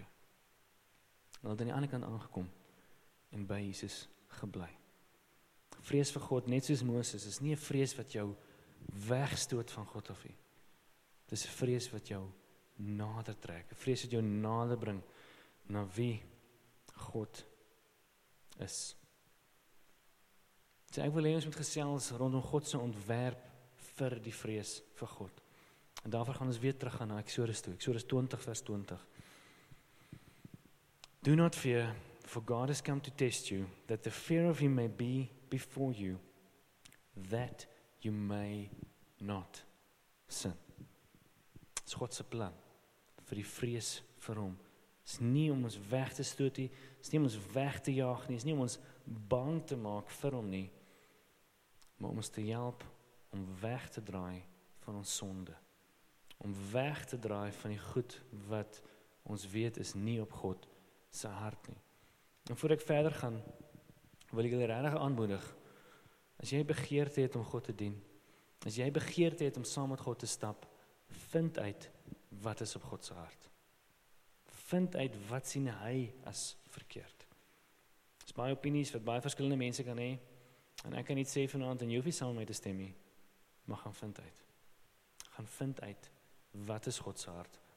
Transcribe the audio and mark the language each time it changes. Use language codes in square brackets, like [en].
[af] Hulle het aan die ander kant aangekom en by Jesus gebly. Vrees vir God, net soos Moses, is nie een vrees wat jou wegstoot van God af. Het is een vrees wat jou nader trek, een vrees wat jou nader bring na wie God is. So ek wil hê ons moet gesels rondom God se ontwerp vir die vrees vir God. En daarvoor gaan ons weer terug gaan na Exodus toe. Exodus 20 vers 20. [en] Do not fear, for God has come to test you, that the fear of him may be before you, that you may not sin. [af] Dit is God se plan vir die vrees vir hom. Het is nie om ons weg te stoot nie, is nie om ons weg te jaag nie, is nie om ons bang te maak vir hom nie, maar om ons te help om weg te draai van ons sonde, om weg te draai van die goed wat ons weet is nie op God se hart nie. En voor ek verder gaan, wil ek julle regtig aanmoedig, as jy begeerte het om God te dien, as jy begeerte het om saam met God te stap, Vind uit wat is op God se hart. Vind uit wat sien hy as verkeerd. Dis baie opinies wat baie verskillende mense kan hê. En ek kan iets sê vanaand en jy hoef nie saam met my te stem nie. Maar gaan vind uit. Gaan vind uit wat is God se hart.